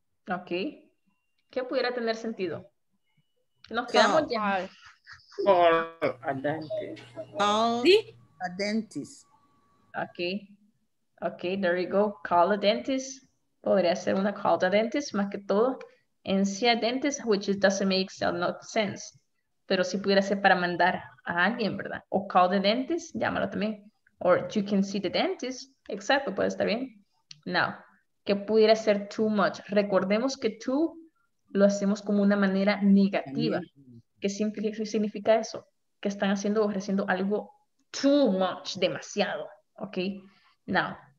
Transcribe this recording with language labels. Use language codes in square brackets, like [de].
[es] Okay. ¿Qué pudiera tener sentido? Nos quedamos ya. [en] Call a dentist. Okay, there you go. Call a dentist. [es] Podría ser una [en] call a dentist, [es] más que todo. [en] And see a dentist, which it doesn't make sense. [es] Pero si pudiera ser para mandar a alguien, ¿verdad? [en] O call the dentist, [es] llámalo también. [en] Or you can see the dentist. [es] Exacto, puede estar bien. Now, ¿qué pudiera ser too much? Recordemos que too lo hacemos como una manera negativa. ¿Qué significa eso? Que están haciendo o ofreciendo algo too much, demasiado. Ok. Now.